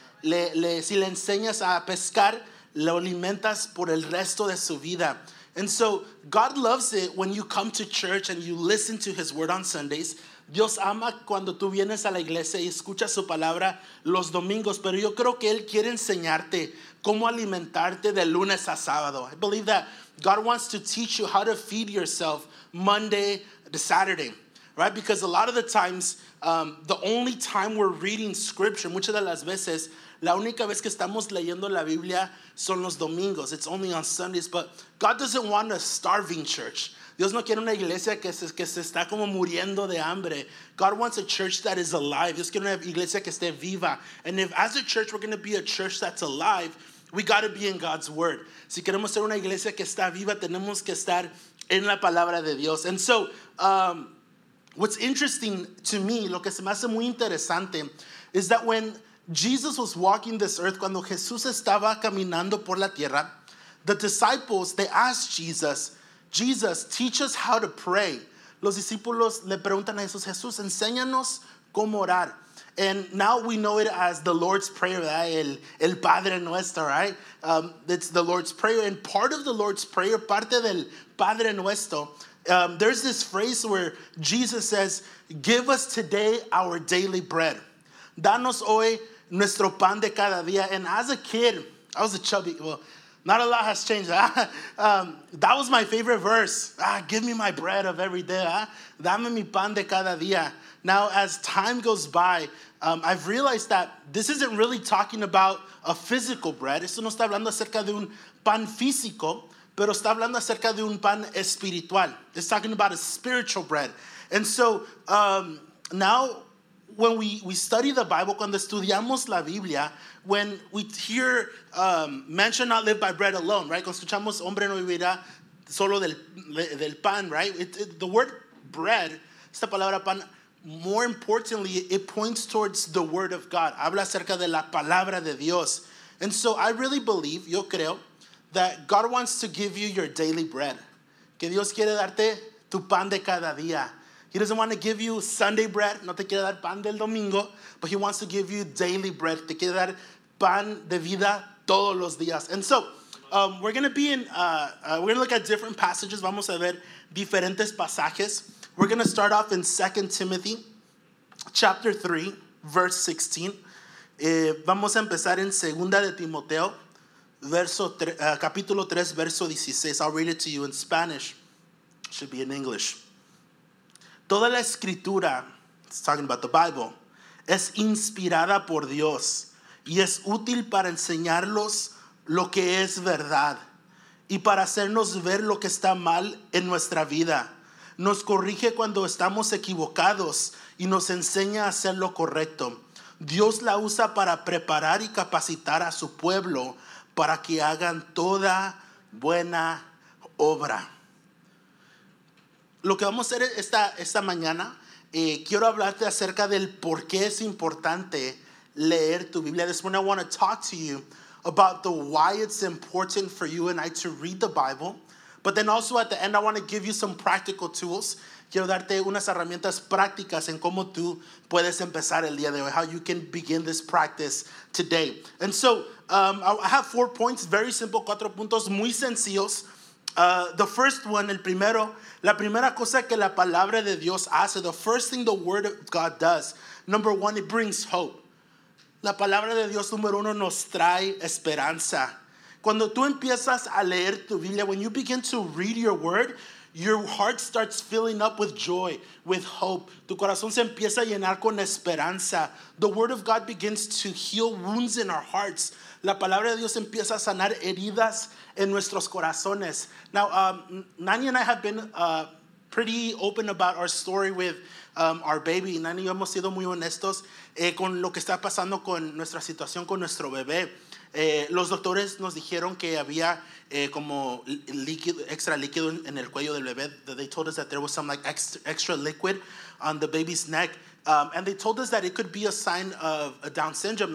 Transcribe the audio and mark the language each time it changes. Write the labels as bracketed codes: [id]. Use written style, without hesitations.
[es] Si le enseñas a pescar, lo alimentas por el resto de su vida. [en] And so God loves it when you come to church and you listen to his word on Sundays. [es] Dios ama cuando tú vienes a la iglesia y escuchas su palabra los domingos, pero yo creo que él quiere enseñarte cómo alimentarte de lunes a sábado. [en] I believe that God wants to teach you how to feed yourself Monday to Saturday, right? Because a lot of the times, the only time we're reading scripture, [es] muchas de las veces, la única vez que estamos leyendo la Biblia son los domingos. [en] It's only on Sundays, but God doesn't want a starving church. [es] Dios no quiere una iglesia que se está como muriendo de hambre. [en] God wants a church that is alive. [es] Dios quiere una iglesia que esté viva. [en] And if as a church we're going to be a church that's alive, we got to be in God's word. [es] Si queremos ser una iglesia que está viva, tenemos que estar en la palabra de Dios. [en] And so, what's interesting to me, [es] lo que se me hace muy interesante, [en] is that when Jesus was walking this earth, [es] cuando Jesús estaba caminando por la tierra, [en] the disciples, they asked Jesus, Jesus, teach us how to pray. [es] Los discípulos le preguntan a Jesús, Jesús, enséñanos cómo orar. [en] And now we know it as the Lord's Prayer, el Padre Nuestro, right? It's the Lord's Prayer. And part of the Lord's Prayer, [es] parte del Padre Nuestro, [en] there's this phrase where Jesus says, give us today our daily bread. [es] Danos hoy nuestro pan de cada día. [en] And as a kid, I was a chubby. Well, not a lot has changed. That was my favorite verse. Give me my bread of every day. [es] Dame mi pan de cada día. [en] Now, as time goes by, I've realized that this isn't really talking about a physical bread. [es] Esto no está hablando acerca de un pan físico, pero está hablando acerca de un pan espiritual. [en] It's talking about a spiritual bread. And so now when we study the Bible, [es] cuando estudiamos la Biblia, [en] when we hear man shall not live by bread alone, right? [es] Cuando escuchamos hombre no vivirá solo del pan, [en] right? The word bread, [es] esta palabra pan, [en] more importantly, it points towards the word of God. [es] Habla acerca de la palabra de Dios. [en] And so I really believe, [es] yo creo, [en] that God wants to give you your daily bread. [es] Que Dios quiere darte tu pan de cada día. [en] He doesn't want to give you Sunday bread. [es] No te quiere dar pan del domingo. [en] But he wants to give you daily bread. [es] Te quiere dar pan de vida todos los días. [en] And so we're going to be in, we're going to look at different passages. [es] Vamos a ver diferentes pasajes. [en] We're going to start off in 2 Timothy chapter 3, verse 16. [es] Vamos a empezar en 2 de Timoteo, capítulo 3, verso 16. [en] I'll read it to you in Spanish. Should be in English. [es] Toda la escritura, [en] it's talking about the Bible, [es] es inspirada por Dios y es útil para enseñarlos lo que es verdad y para hacernos ver lo que está mal en nuestra vida. Nos corrige cuando estamos equivocados y nos enseña a hacer lo correcto. Dios la usa para preparar y capacitar a su pueblo para que hagan toda buena obra. Lo que vamos a hacer esta mañana, quiero hablarte acerca del por qué es importante leer tu Biblia. [en] This morning I want to talk to you about the why it's important for you and I to read the Bible. But then also at the end, I want to give you some practical tools. [es] Quiero darte unas herramientas prácticas en cómo tú puedes empezar el día de hoy, [en] how you can begin this practice today. And so I have 4 points, very simple, [es] 4 puntos, muy sencillos. [en] The first one, [es] el primero, la primera cosa que la palabra de Dios hace, [en] the first thing the word of God does, number one, it brings hope. [es] La palabra de Dios, número uno, nos trae esperanza. Cuando tú empiezas a leer tu Biblia, [en] when you begin to read your word, your heart starts filling up with joy, with hope. [es] Tu corazón se empieza a llenar con esperanza. [en] The word of God begins to heal wounds in our hearts. [es] La palabra de Dios empieza a sanar heridas en nuestros corazones. [en] Now, Nani and I have been pretty open about our story with our baby. [es] Nani y yo hemos sido muy honestos con lo que está pasando con nuestra situación con nuestro bebé. Los doctores nos dijeron que había como líquido, extra líquido en el cuello del bebé. [en] They told us that there was some like extra liquid on the baby's neck. And they told us that it could be a sign of a Down syndrome.